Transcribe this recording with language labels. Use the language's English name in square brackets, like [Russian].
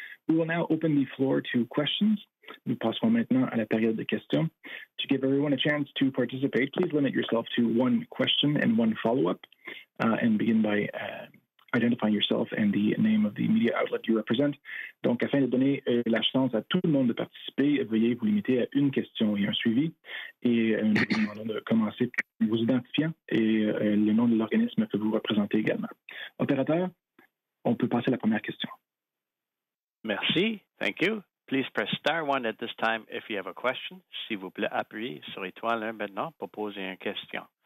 [English] We will now open the floor to questions. [French] Nous passons maintenant à la période de questions. [English] To give everyone a chance to participate, please limit yourself to one question and one follow-up, and begin by identifying yourself and the name of the media outlet you represent. [French] Donc, afin de donner la chance à tout le monde de participer, veuillez vous limiter à une question et un suivi. Et nous vous demandons de commencer en vous identifiant et le nom de l'organisme que vous représentez également. Opérateur, on peut passer à la première question. Merci. [English] Thank you. Please press star one at this time if you have a question. [French] S'il vous plaît, appuyez sur étoile un maintenant pour poser une question.